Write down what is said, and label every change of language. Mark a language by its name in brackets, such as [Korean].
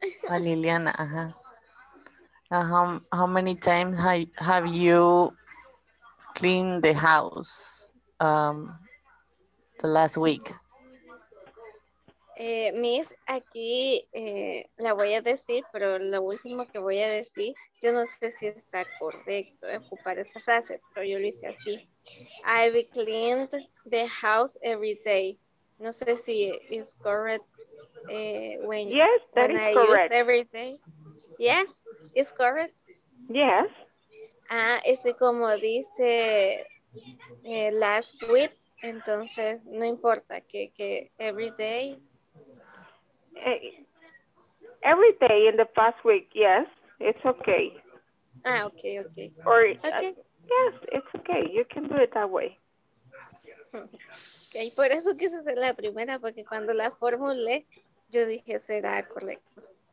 [English] Liliana, how many times have you clean the house the last week? [Spanish] Miss, aquí la voy a decir, pero lo último que voy a decir, yo no sé si está correcto ocupar esa frase, pero yo lo hice así. [English] I've cleaned the house every day. [Spanish] No sé si es [English] correct when, yes, that when is I correct. Use every day. Yes, it's correct. Yes. [Spanish] Ah, es como dice last week, entonces no importa que every day. [English] Every day in the past week, yes, it's okay. Ah, okay, okay. Or, okay. Yes, it's okay, you can do it that way. [Spanish] Okay, por eso quise hacer la primera, porque cuando la formulé, yo dije, será correcto.